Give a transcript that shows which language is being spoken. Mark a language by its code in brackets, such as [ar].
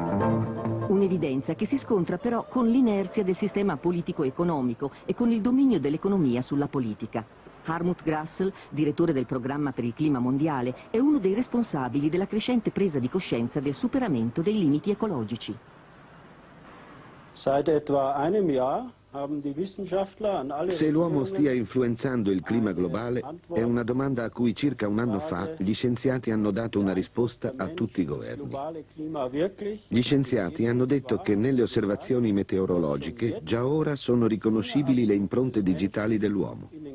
[it] Un'evidenza che si scontra però con l'inerzia del sistema politico-economico e con il dominio dell'economia sulla politica. Harmut Grassel, direttore del programma per il clima mondiale, è uno dei responsabili della crescente presa di coscienza del superamento dei limiti ecologici. [de] Seit etwa einem Jahr haben die Wissenschaftler an alle... [it] Se l'uomo stia influenzando il clima globale, è una domanda a cui circa un anno fa gli scienziati hanno dato una risposta a tutti i governi. Gli scienziati hanno detto che nelle osservazioni meteorologiche già ora sono riconoscibili le impronte digitali dell'uomo.